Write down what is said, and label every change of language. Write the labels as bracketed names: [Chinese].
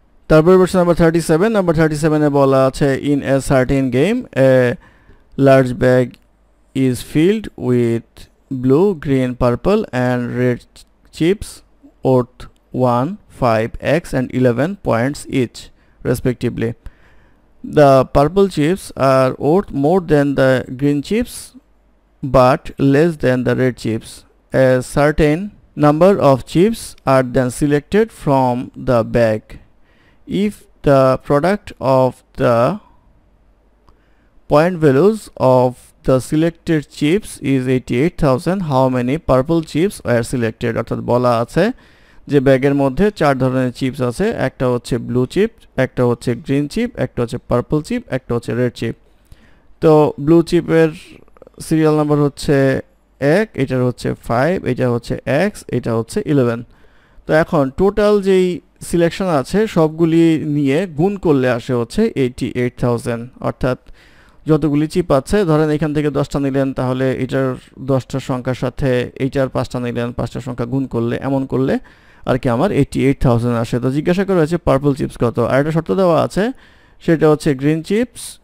[Bangla] তারপর প্রশ্ন number 37 number 37 এ বলা আছে [English] In a certain game a large bag is filled with blue green purple and red chips worth 1, 5, x and 11 points each respectively. The purple chips are worth more than the green chips but less than the red chips. A certain number of chips are then selected from the bag. If the product of the point values of the selected chips is 88,000, how many purple chips are selected? [Bangla] অর্থাৎ বলা আছে যে ব্যাগের মধ্যে চার ধরনের chips আছে একটা হচ্ছে ব্লু চিপ একটা হচ্ছে গ্রিন চিপ একটা হচ্ছে পার্পল চিপ একটা হচ্ছে রেড চিপ তো ব্লু চিপের সিরিয়াল নাম্বার হচ্ছে 1 এটার হচ্ছে 5 এটা হচ্ছে x এটা হচ্ছে 11 তো এখন টোটাল যেই সিলেকশন আছে সবগুলি নিয়ে গুণ করলে আসে হচ্ছে 88000 অর্থাৎ যতগুলি চিপ আছে ধরেন এখান থেকে 10টা নিলেন তাহলে এটার 10টা সংখ্যার সাথে এটার 5টা নিলেন 5টা সংখ্যা গুণ করলে এমন করলে আর কি আমার 88000 আসে তো জিজ্ঞাসা করা হয়েছে পার্পল চিপস কত আর একটা শর্ত দেওয়া আছে সেটা হচ্ছে গ্রিন চিপস